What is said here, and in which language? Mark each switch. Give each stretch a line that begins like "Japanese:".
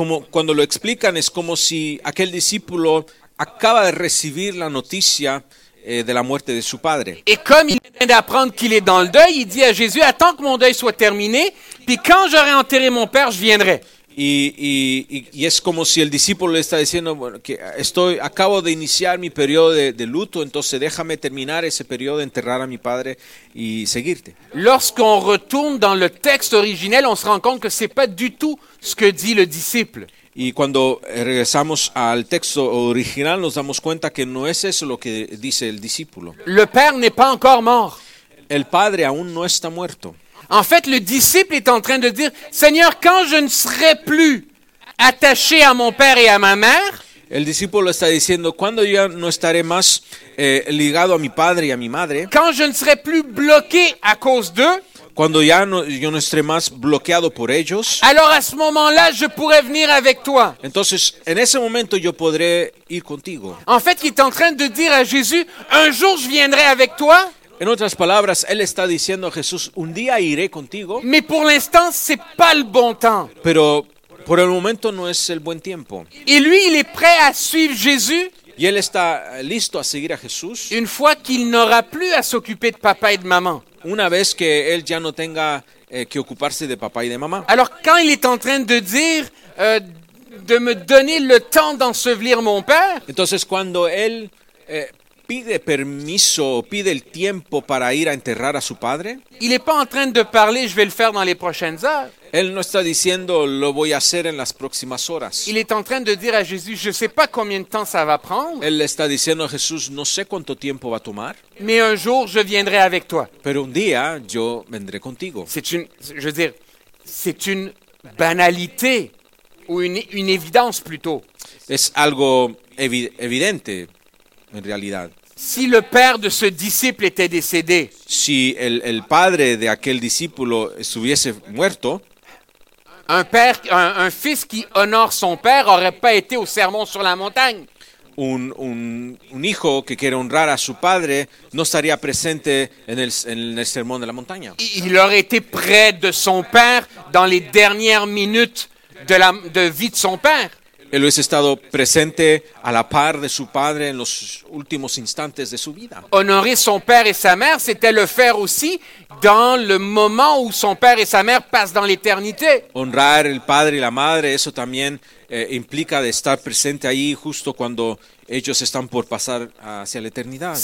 Spanish: Cuando lo explican es como si aquel discípulo acaba de recibir la noticia de la muerte de su padre.
French: Et comme il vient d'apprendre qu'il est dans le deuil, il dit à Jésus, attends que mon deuil soit terminé, puis quand j'aurai enterré mon père, je viendrai.
Spanish: Y es como si el discípulo le está diciendo, bueno, que acabo de iniciar mi periodo de luto, entonces déjame terminar ese periodo de enterrar a mi padre y seguirte.
French: Lorsqu'on retourne dans le texte originel, on se rend compte que c'est pas du tout ce que dit le disciple.
Spanish: Y cuando regresamos al texto original, nos damos cuenta que no es eso lo que dice el discípulo.
French: Le père n'est pas encore mort.
Spanish: El padre aún no está muerto.
French: En fait, le disciple est en train de dire, Seigneur, quand je ne serai plus attaché à mon père et à ma mère.
Spanish: El discípulo está diciendo, cuando ya no estaré más ligado a mi padre y a mi madre.
French: Quand je ne serai plus bloqué à cause d'eux.
Spanish: Cuando ya no, yo no estaré más bloqueado por ellos.
French: Alors à ce moment-là, je pourrai venir avec toi.
Spanish: Entonces, en ese momento yo podré ir contigo.
French: En fait, il est en train de dire à Jésus, un jour je viendrai avec toi.
Spanish: En otras palabras, él está diciendo a Jesús, un día iré contigo.
French: Mais pour l'instant, c'est pas le bon temps.
Spanish: Pero por el momento no es el buen tiempo.
French: Et lui, il est prêt à suivre Jésus.
Spanish: Y él está listo a seguir a Jesús.
French: Une fois qu'il n'aura plus à s'occuper de papa et de maman.
Spanish: Una vez que él ya no tenga que ocuparse de papá y de mamá.
French: Alors quand il est en train de dire de me donner le temps d'ensevelir mon père.
Spanish: Entonces cuando él pide permiso o pide el tiempo para ir a enterrar a su padre.
French: Il est pas en train de parler je vais le faire dans les prochaines heures.
Spanish: Él no está diciendo lo voy a hacer en las próximas horas.
French: Il est en train de dire à Jésus je sais pas combien de temps ça va prendre.
Spanish: Él está diciendo a Jesús no sé cuánto tiempo va a tomar.
French: Mais un jour je viendrai avec toi.
Spanish: Pero un día yo vendré contigo.
French: C'est une banalité ou une évidence plutôt.
Spanish: Es algo evidente en realidad.
French: Si le père de ce disciple était décédé,
Spanish: si el padre de aquel discípulo estuviese muerto,
French: un fils qui honore son père aurait pas été au sermon sur la montagne.
Spanish: Un hijo que quiere honrar a su padre no estaría presente en el sermón de la montaña.
French: Il aurait été près de son père dans les dernières minutes de la de vie de son père.
Spanish: Él hubiese estado presente a la par de su padre en los últimos instantes de su vida.
French: Honorer son père et sa mère, c'était le faire aussi dans le moment où son père et sa mère passent dans l'éternité.
Spanish: Honrar el padre y la madre, eso también implica de estar presente ahí justo cuando ellos están por pasar hacia la eternidad.